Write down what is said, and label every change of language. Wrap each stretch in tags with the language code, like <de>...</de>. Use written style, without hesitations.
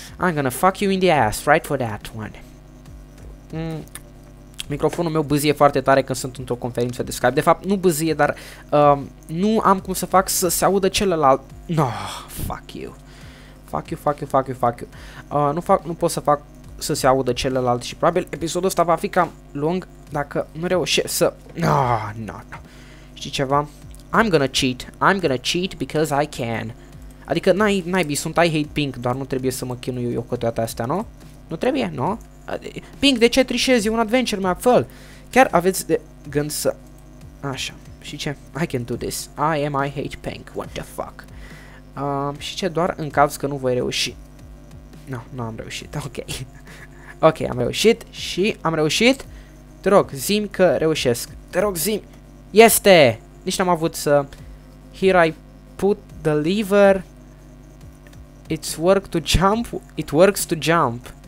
<en>I'm gonna fuck you in the ass, right for that one.</en> <ro>Microfonul meu bâzie foarte tare când sunt într-o conferință de Skype. De fapt, nu bâzie, dar nu am cum să fac să se audă celălalt.</ro> <en>No, fuck you.</en> <ro>Nu pot să fac să se audă celălalt și probabil episodul ăsta va fi cam lung dacă nu reușesc să... No. Știi ceva?</ro> <en>I'm gonna cheat because I can.</en> <ro>Adică,</ro> <en>I hate Pink,</en> <ro>doar nu trebuie să mă chinui eu cu toate astea, nu? Nu trebuie, nu? Pink, de ce trișezi? E un adventure map, fă-l. Chiar aveți de gând să... Așa, și ce?</ro> <en>I can do this. I hate Pink, what the fuck.</en> <ro>Și ce, doar în caz că nu voi reuși. Nu am reușit, ok. Ok, am reușit. Te rog, zi-mi că reușesc. Te rog, zi-mi. Este! Nici n-am avut să...</ro> <en>Here I put the lever. It works to jump.</en>